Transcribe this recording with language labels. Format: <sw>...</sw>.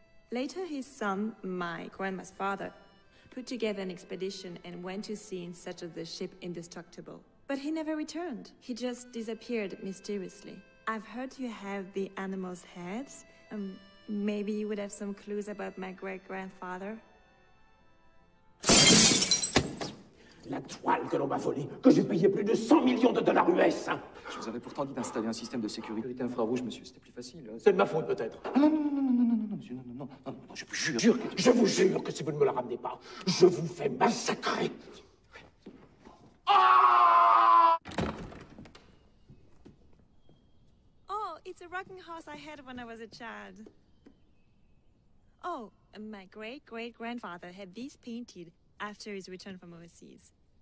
<en>Later, his son, my grandma's father, put together an expedition and went to sea in search of the ship Indestructible. But he never returned. He just disappeared mysteriously. I've heard you have the animal's heads. Maybe you would have some clues about my great-grandfather.</en> <fr>La toile que l'on m'a volée, que j'ai payé plus de 100 millions de dollars US. Je vous avais pourtant dit d'installer un système de sécurité infrarouge, monsieur, c'était plus facile. C'est de ma faute, peut-être. Ah, non, monsieur, je vous jure. Je vous jure que si vous ne me la ramenez pas, je vous fais massacrer.</fr> <en>Oh, it's a rocking horse I had when I was a child. Oh, my great-great-grandfather had these painted after his return from overseas.</en>